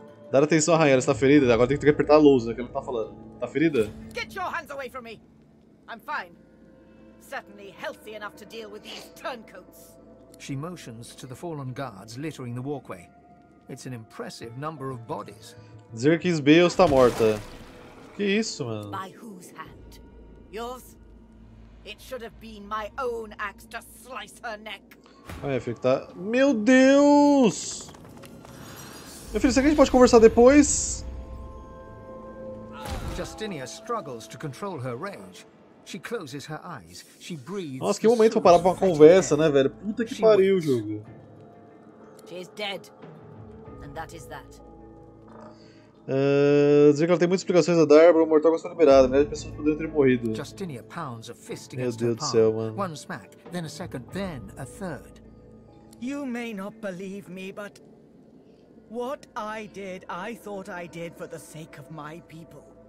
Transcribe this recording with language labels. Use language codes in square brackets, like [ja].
[pt] Dar atenção à rainha, ela está ferida. Agora tem que apertar a lousa, que ela tá falando. Tá ferida? [en] Get your hands away from me! I'm fine. Certainly healthy enough to deal with these turncoats. She motions to the fallen guards littering the walkway. It's an impressive number of bodies. [pt] Zirkins Bale está morta. Que isso, mano? [en] By whose hand? Yours? It should have been my own axe to slice her neck. [pt] Ai, filho, tá... Meu Deus! Meu filho, será que a gente pode conversar depois? [en] Justinia struggles to control her rage. She closes her eyes. She breathes. [pt] Nossa, que momento pra parar pra uma conversa, né, velho? Puta que pariu, jogo. [en] She is dead. And that is that. [pt] Dizer que ela tem muitas explicações a dar, o mortal gosta liberado, né? As pessoas poderiam ter morrido. [en] Justinia pounds a fist against her palm. [pt] Meu Deus do céu, mano. [en] One smack, then a second, then a third. You may not believe me, but what I did, I thought I did for the sake of my people.